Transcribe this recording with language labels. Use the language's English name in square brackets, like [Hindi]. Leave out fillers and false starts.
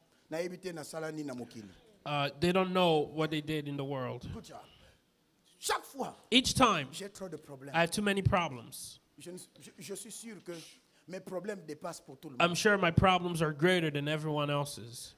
[English] They don't know what they did in the world. [French] Chaque fois, [English] each time, [French] j'ai trop de problèmes. I have too many problems. Je suis sûr que mes problèmes dépassent pour tout le monde. [English] I'm sure my problems are greater than everyone else's.